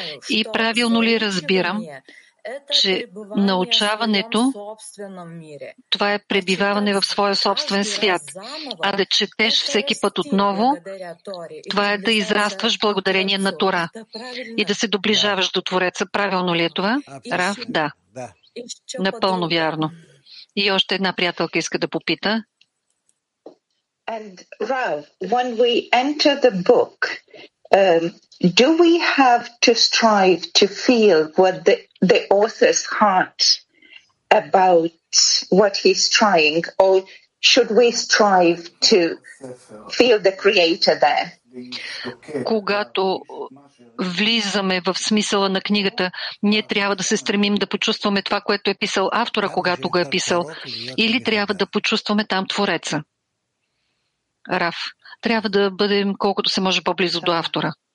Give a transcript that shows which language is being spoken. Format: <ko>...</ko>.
<bg>И правилно ли разбирам, че научаването това е пребиваване в своя собствен свят, а да четеш всеки път отново, това е да израстваш благодарение на Тора и да се доближаваш до Твореца. Правилно ли е това? Рав, да. Напълно вярно. И още една приятелка иска да попита.</bg> <en>And Rav, when we enter the book, do we have to strive to feel what the author's heart about what he's trying, or should we strive to feel the creator there?</en> <bg>Когато влизаме в смисъла на книгата, ние трябва да се стремим да почувстваме това, което е писал автора, когато го е писал, или трябва да почувстваме там Твореца? Рав, трябва да бъдем колкото се може по-близо до автора.</bg>